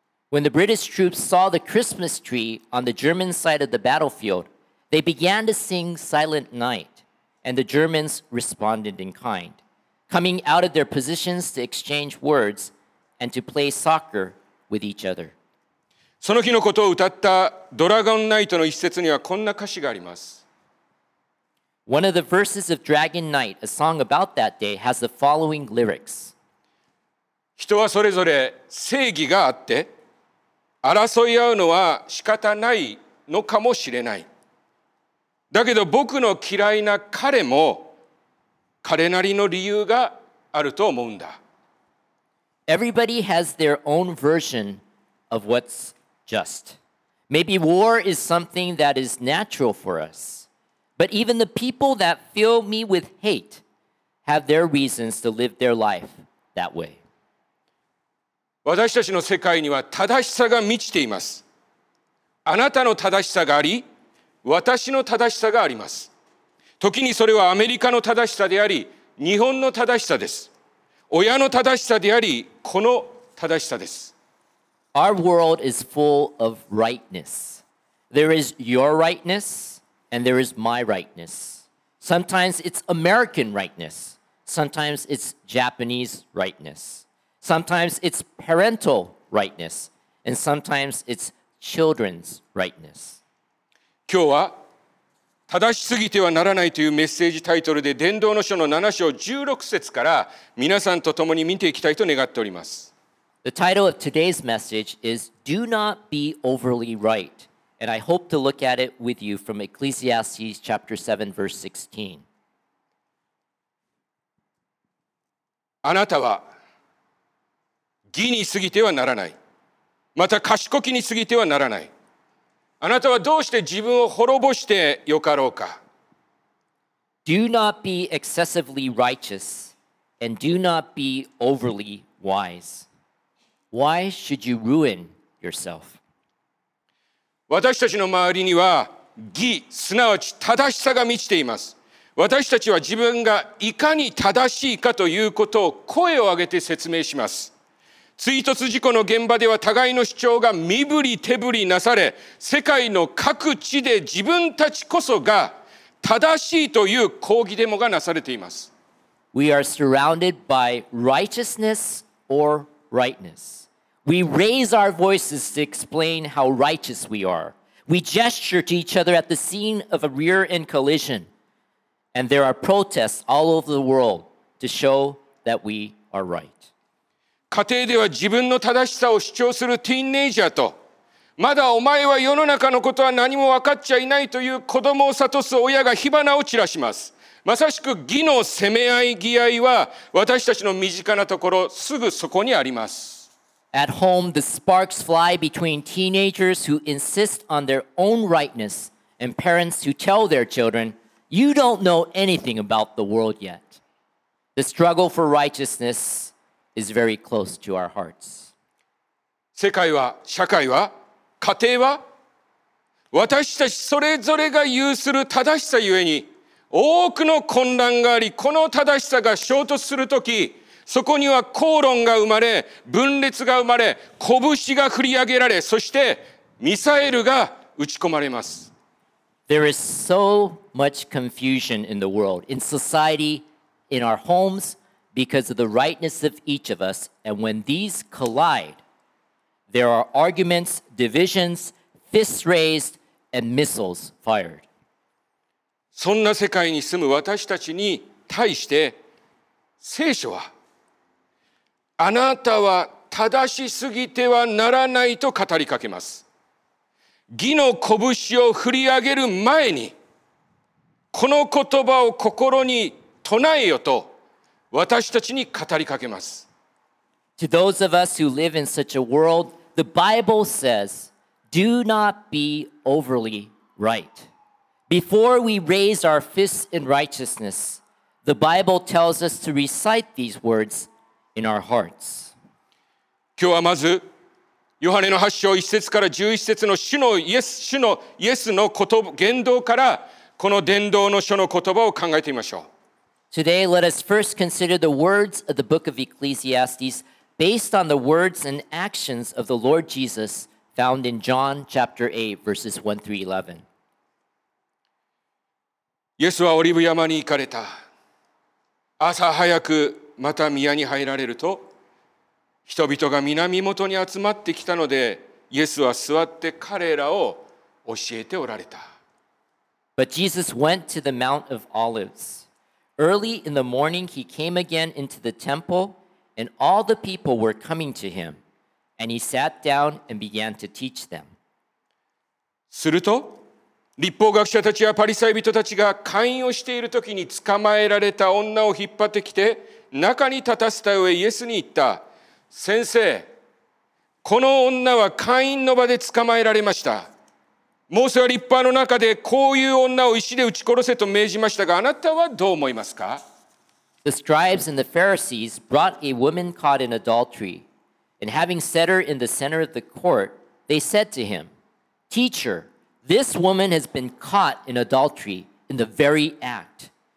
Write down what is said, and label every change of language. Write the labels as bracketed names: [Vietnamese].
[English] When the British troops saw the Christmas tree on the German side of the battlefield, they began to sing Silent Night, and the Germans responded in kindcoming out of their positions to exchange words and to play soccer with each other. [Japanese] その日のことを歌ったドラゴンナイトの一節にはこんな歌詞があります。 [English] One of the verses of Dragon Knight, a song about that day, has the following lyrics. [Japanese] 人はそれぞれ正義があって、争い合うのは仕方ないのかもしれない。だけど僕の嫌いな彼も、彼なりの理由があると思うんだ。 [English] Everybody has their own version of what's just. Maybe war is something that is natural for us. But even the people that fill me with hate have their reasons to live their life that way. [Japanese] 私たちの世界には正しさが満ちています。あなたの正しさがあり、私の正しさがあります。時にそれはアメリカの正しさであり、日本の正しさです。親の正しさであり、この正しさです。 [English] Our world is full of rightness. There is your rightness, and there is my rightness. Sometimes it's American rightness. Sometimes it's Japanese rightness. Sometimes it's parental rightness. And sometimes it's children's rightness. [Japanese] 今日は正しすぎてはならないというメッセージタイトルで、伝道の書の7章16節から皆さんと共に見ていきたいと願っております。 [English] The title of today's message is Do Not Be Overly Right, and I hope to look at it with you from Ecclesiastes chapter 7 verse 16. [Japanese] あなたは義に過ぎてはならない、また賢きに過ぎてはならない。あなたはどうして自分を滅ぼしてよかろうか。 [English] Do not be excessively righteous and do not be overly wise. Why should you ruin yourself? [Japanese] 私たちの周りには義、すなわち正しさが満ちています。私たちは自分がいかに正しいかということを声を上げて説明します。追突事故の現場では互いの主張が身振り手振りなされ、世界の各地で自分たちこそが正しいという抗議デモがなされています。 [English] We are surrounded by righteousness or rightness. We raise our voices to explain how righteous we are. We gesture to each other at the scene of a rear-end collision. And there are protests all over the world to show that we are right. [Japanese] 家庭では自分の正しさを主張するティーンエイジャーと、まだお前は世の中のことは何も分かっちゃいないという子供を諭す親が火花を散らします。まさしく義の攻め合い、義合いは私たちの身近なところ、すぐそこにあります。 [English] At home, the sparks fly between teenagers who insist on their own rightness and parents who tell their children,You don't know anything about the world yet. The struggle for righteousness is very close to our hearts. [Japanese] 世界は、社会は、家庭は、私たちそれぞれが有する正しさゆえに、多くの混乱があり、この正しさが衝突するとき、そこには口論が生まれ、分裂が生まれ、拳が振り上げられ、そしてミサイルが撃ち込まれます。 [English] There is so much confusion in the world, in society, in our homes, because of the rightness of each of us. And when these collide, there are arguments, divisions, fists raised, and missiles fired. [Japanese] そんな世界に住む私たちに対して、聖書は、あなたは正しすぎてはならないと語りかけます。義の拳を振り上げる前にこの言葉を心に唱えよと私たちに語りかけます。 [English] To those of us who live in such a world, the Bible says, do not be overly right. Before we raise our fists in righteousness, the Bible tells us to recite these words in our hearts. [Japanese] 今日はまずヨハネの8章1節から11節の主のイエス、主のイエスの言葉、言動からこの伝道の書の言葉を考えてみましょう。 [English] Today, let us first consider the words of the book of Ecclesiastes based on the words and actions of the Lord Jesus found in John chapter 8, verses 1 through 11. [Japanese] イエスはオリブ山に行かれた。朝早くまた宮に入られると、人々が皆身元に集まってきたので、イエスは座って彼らを教えておられた。 [English] But Jesus went to the Mount of Olives. Early in the morning he came again into the temple, and all the people were coming to him, and he sat down and began to teach them. [Japanese] すると、律法学者たちやパリサイ人たちが会員をしているときに捕まえられた女を引っ張ってきて、中に立たせた上イエスに言った。先生、この女は会員の場で捕まえられました。モーセは律法の中でこういう女を石で打ち殺せと命じましたが、あなたはどう思いますか? [English] The scribes and the Pharisees brought a woman caught in adultery, and having set her in the center of the court, they said to him, Teacher, this woman has been caught in adultery in the very act.